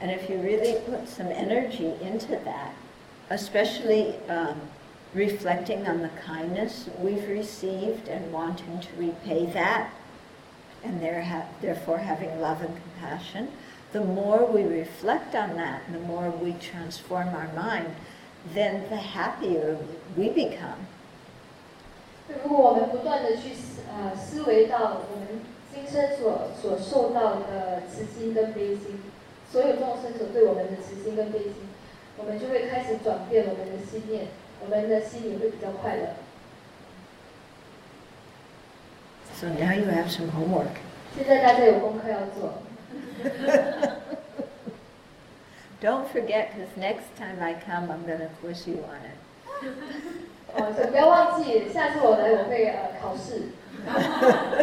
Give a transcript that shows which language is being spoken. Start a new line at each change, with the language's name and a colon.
English: And if you really put some energy into that, especially reflecting on the kindness we've received and wanting to repay that, and therefore having love and compassion, the more we reflect on that, the more we transform our mind, then the happier we become.
Chinese: 如果我们不断地去思维到我们今生所受到的慈心跟悲心，所有众生所对我们的慈心跟悲心，我们就会开始转变我们的心念，我们的心里会比较快乐。
English: So now you have some homework.
Chinese: 现在大家有功课要做。
English: Don't forget, because next time I come, I'm going to quiz you on it.
Chinese: 哦，不要忘记，下次我来，我会考试。